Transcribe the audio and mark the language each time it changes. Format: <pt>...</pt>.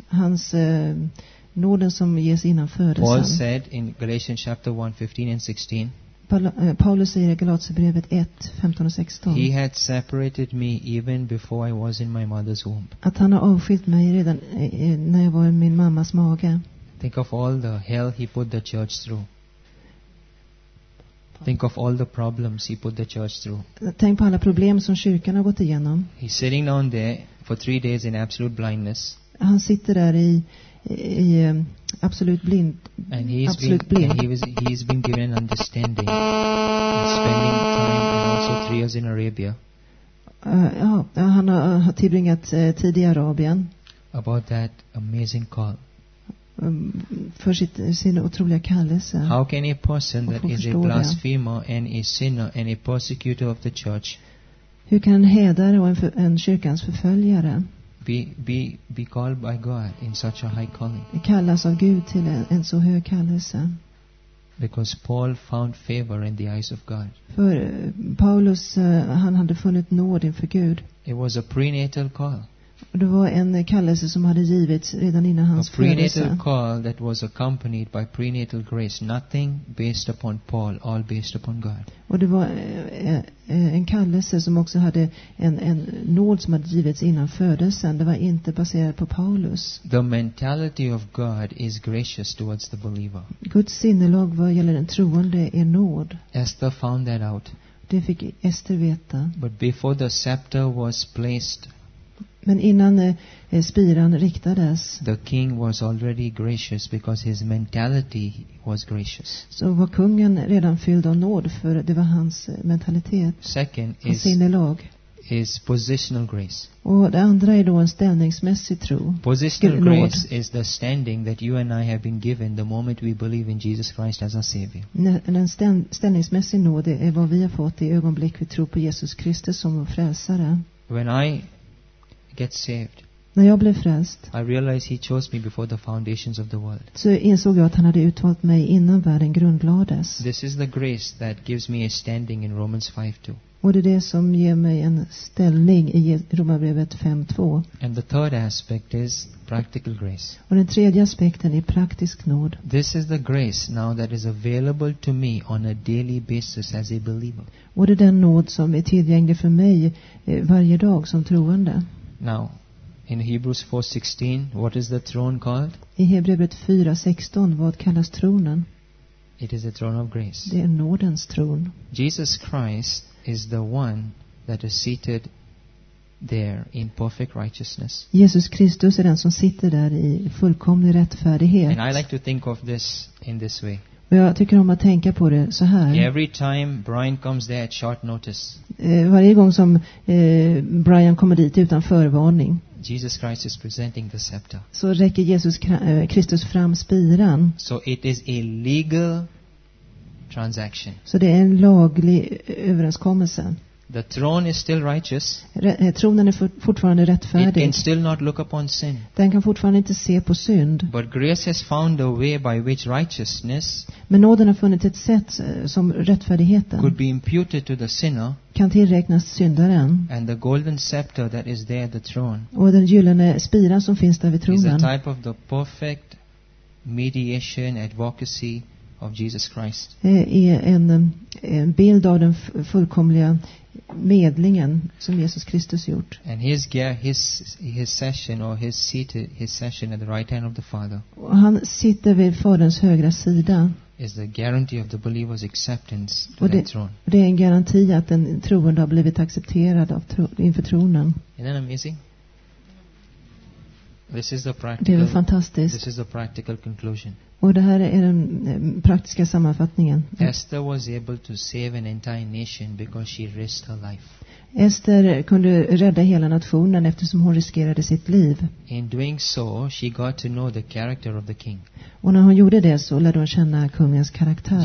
<sv>Hans nåden som ges innan födelsen.</sv> <en>Paul said in Galatians chapter 1, 15 and 16.</en> <sv>Paulus säger i Galaterbrevet 1, 15 och 16.</sv> <en>He had separated me even before I was in my mother's womb.</en> <sv>Att han har avskilt mig redan när jag var i min mammas mage.</sv> <en>Think of all the hell he put the church through. Think of all the problems he put the church through.</en> <sv>Tänk på alla problem som kyrkan har gått igenom.</sv> <en>He's sitting down there for 3 days in absolute blindness.</en> <sv>Han sitter där i absolut blind.</sv> <en>And he's</en> <sv>absolut blind.</sv> <en>And he's been given an understanding. He's spending time and also 3 years in Arabia.</en> <sv>Han har tillbringat tid i Arabien.</sv> <en>About that amazing call.</en> <sv>För sin otroliga kallelse.</sv> <en>How can a person that is a blasphemer and a sinner and a persecutor of the church?</en> <sv>Hur kan en hedare och en kyrkans förföljare</sv> <en>be called by God in such a high calling?</en> <sv>Kallas av Gud till en så hög kallelse.</sv> <en>Because Paul found favor in the eyes of God.</en> <sv>För Paulus han hade funnit nåd inför Gud.</sv> <en>It was a prenatal call.</en> <sv>Det var en kallelse som hade givits redan innan hans födelse.</sv> <en>A prenatal call that was accompanied by prenatal grace. Nothing based upon Paul, all based upon God.</en> <sv>Och det var en kallelse som också hade en nåd som hade givits innan födelsen. Det var inte baserat på Paulus.</sv> <en>The mentality of God is gracious towards the believer.</en> <sv>Guds sinnelag vad gäller den troende är nåd.</sv> <en>Esther found that out.</en> <sv>Det fick Esther veta.</sv> <en>But before the scepter was placed.</en> <sv>Men innan spiran riktades.</sv> <en>The king was already gracious because his mentality was gracious.</en> <sv>Så var kungen redan fylld av nåd för det var hans mentalitet.</sv> <en>Second</en> <sv>hans sinnelag.</sv> <en>Is positional grace.</en> <sv>Och det andra är då en ställningsmässig tro.</sv> <en>Positional grace is the standing that you and I have been given the moment we believe in Jesus Christ as our savior.</en> <sv>En ställningsmässig nåd är vad vi har fått i ögonblick vi tror på Jesus Kristus som vår frälsare.</sv> <en>When I get saved.</en> <sv>När jag blev frälst.</sv> <en>I realized he chose me before the foundations of the world.</en> <sv>Så insåg jag att han hade utvalt mig innan världen grundlades.</sv> <en>This is the grace that gives me a standing in Romans 5:2.</en> <sv>Och det är det som ger mig en ställning i Romarbrevet 5:2.</sv> <en>And the third aspect is practical grace.</en> <sv>Och den tredje aspekten är praktisk nåd.</sv> <en>This is the grace now that is available to me on a daily basis as a believer.</en> <sv>Och det är den nåd som är tillgänglig för mig varje dag som troende.</sv> <en>Now, in Hebrews 4:16, what is the throne called?</en> <sv>I Hebreerbrevet 4:16, vad kallas tronen?</sv> <en>It is the throne of grace.</en> <sv>Det är nådens tron.</sv> <en>Jesus Christ is the one that is seated there in perfect righteousness.</en> <sv>Jesus Kristus är den som sitter där i fullkomlig rättfärdighet.</sv> <en>And I like to think of this in this way.</en> <sv>Jag tycker om att tänka på det så här.</sv> <en>Every time Brian comes there at short notice.</en> <sv>Varje gång som Brian kommer dit utan förvarning.</sv> <en>Jesus Christ is presenting the scepter.</en> <sv>Så räcker Jesus Kristus fram spiran.</sv> <en>So it is a legal transaction.</en> <sv>Så det är en laglig överenskommelse.</sv> <en>The throne is still righteous.</en> <sv>Tronen är fortfarande rättfärdig.</sv> <en>It can still not look upon sin.</en> <sv>Den kan fortfarande inte se på synd.</sv> <en>But grace has found a way by which righteousness.</en> <sv>Men nåden har funnit ett sätt som rättfärdigheten.</sv> <en>Could be imputed to the sinner.</en> <sv>Kan tillräknas syndaren.</sv> <en>And the golden scepter that is there at the throne.</en> <sv>Och den gyllene spiran som finns där vid tronen.</sv> <en>Is a type of the perfect mediation advocacy of Jesus Christ.</en> <sv>Är en bild av den fullkomliga medlingen som Jesus Kristus gjort.</sv> <en>And his session or his seated his session at the right hand of the Father.</en> <sv>Och han sitter vid Faderns högra sida.</sv> <en>Is the guarantee of the believer's acceptance to the throne.</en> <sv>Och det är en garanti att den troende har blivit accepterad av inför tronen.</sv> <en>Isn't that amazing? This is the practical.</en> <sv>Det är fantastiskt.</sv> <en>This is the practical conclusion.</en> <sv>Och det här är den praktiska sammanfattningen.</sv> <en>Esther was able to save an entire nation because she risked her life.</en> <sv>Esther kunde rädda hela nationen eftersom hon riskerade sitt liv.</sv> <en>In doing so, she got to know the character of the king.</en> <sv>Och när hon gjorde det så lärde hon känna kungens karaktär.</sv>